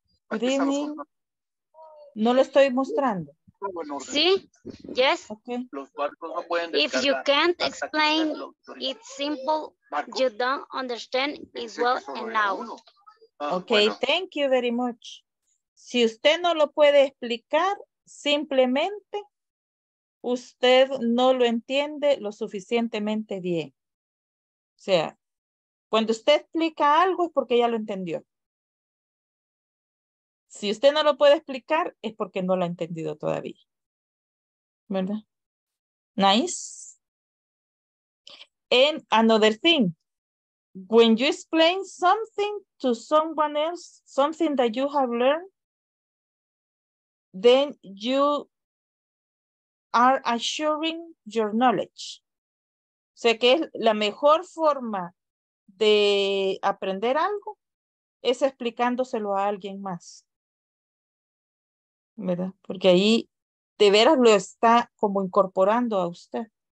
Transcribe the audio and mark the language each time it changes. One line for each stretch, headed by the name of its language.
English: Good evening.
Spanish: No lo estoy mostrando. Sí, yes.
English: Okay. If you can't explain it simple, you don't understand it well enough. Okay, thank you very much.
Spanish: Si usted no lo puede explicar, simplemente usted no lo entiende lo suficientemente bien. O sea, cuando usted explica algo es porque ya lo entendió. Si usted no lo puede explicar, es porque no lo ha entendido todavía. ¿Verdad? Nice.
English: And another thing, when you explain something to someone else, something that you have learned, then you are assuring your knowledge.
Spanish: O sea, que es la mejor forma de aprender algo es explicándoselo a alguien más. ¿Verdad? Porque ahí de veras lo está como incorporando a usted.